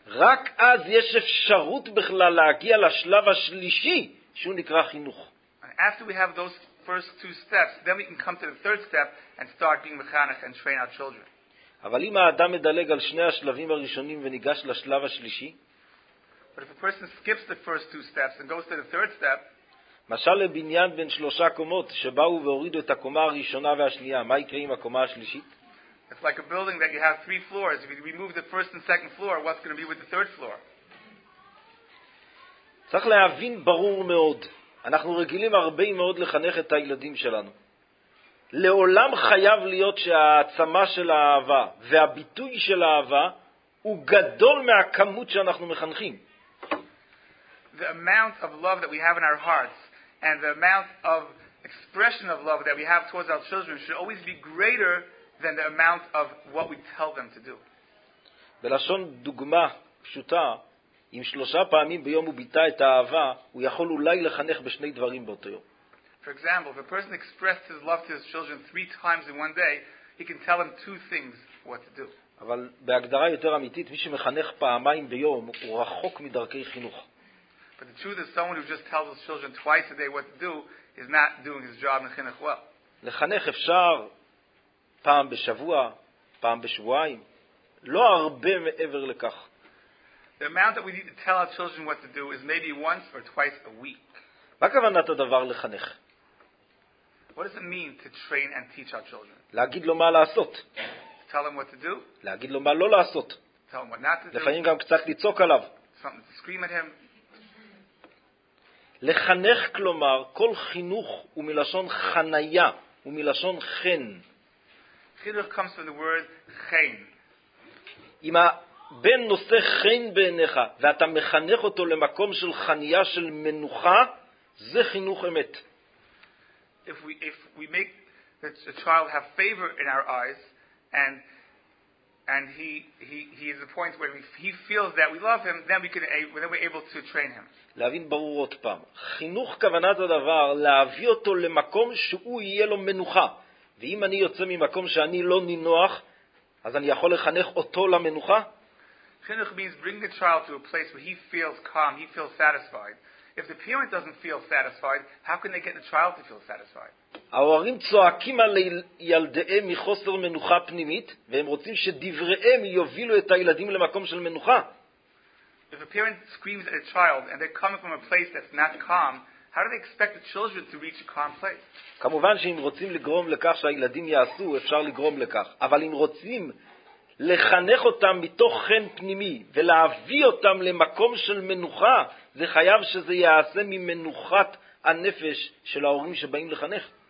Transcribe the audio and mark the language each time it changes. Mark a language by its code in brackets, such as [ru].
[he] רק אז יש אפשרות בכלל להגיע לשלב השלישי, שהוא נקרא חינוך. [en] After we have those first two steps, then we can come to the third step and start being mechanic and train our children. [he] אבל אם האדם מדלג על שני השלבים הראשונים וניגש לשלב השלישי, [en] but if a person skips the first two steps and goes to the third step, [he] משל לבניין בין שלושה קומות שבאו והורידו את הקומה הראשונה והשנייה, מה יקרה עם הקומה השלישית? [en] It's like a building that you have three floors. If you remove the first and second floor, what's going to be with the third floor? [he] צריך להבין ברור מאוד. אנחנו רגילים הרבה מאוד לחנך את הילדים שלנו. לעולם חייב להיות שהעצמה של האהבה והביטוי של האהבה הוא גדול מהכמות שאנחנו מחנכים. [en] The amount of love that we have in our hearts and the amount of expression of love that we have towards our children should always be greater than the amount of what we tell them to do. [he] בלשון דוגמה פשוטה, אם שלושה פעמים ביום הוא ביטא את האהבה, הוא יכול אולי לחנך בשני דברים באותו יום. [en] For example, if a person expressed his love to his children three times in one day, he can tell them two things what to do. [he] אבל בהגדרה יותר אמיתית, מי שמחנך פעמיים ביום, הוא רחוק מדרכי חינוך. [en] But the truth is someone who just tells his children twice a day what to do is not doing his job in chinuch well. [he] לחנך אפשר פעם בשבוע, פעם בשבועיים, לא הרבה מעבר לכך. [en] The amount that we need to tell our children what to do is maybe once or twice a week. [he] מה כוונת הדבר לחנך? [en] What does it mean to train and teach our children? [he] להגיד לו מה לעשות. [en] To tell them what to do? [he] להגיד לו מה לא לעשות. [en] To tell them what not to do? [he] לפעמים גם קצת לצעוק עליו. [en] Something to scream at him? [he] לחנך, כלומר, כל חינוך הוא מלשון חניה, הוא מלשון חן. [en] Chinuch comes from the word chen. [he] אם הבן נושא חן בעיניך, ואתה מחנך אותו למקום של חנייה של מנוחה, זה חינוך אמת. [en] If we make a child have favor in our eyes, and he is the point where he feels that we love him, then we're able to train him. [he] להבין ברור עוד פעם. חינוך כוונת הדבר, להביא אותו למקום שהוא יהיה לו מנוחה. ואם אני יוצא ממקום שאני לא נינוח, אז אני יכול לחנך אותו למנוחה? [en] Chinuch means bring the child to a place where he feels calm, he feels satisfied. If the parent doesn't feel satisfied, how can they get the child to feel satisfied? [he] ההורים צועקים על ילדיהם מחוסר מנוחה פנימית, והם רוצים שדבריהם יובילו את הילדים למקום של מנוחה. [en] If a parent screams at a child and they're coming from a place that's not calm, how do they expect the children to reach a calm place? [he] כמובן שאם רוצים לגרום לכך שהילדים יעשו, אפשר לגרום לכך. אבל אם רוצים לחנך אותם מתוך חן פנימי ולהביא אותם למקום של מנוחה, זה חייב שזה יעשה ממנוחת הנפש של ההורים שבאים לחנך.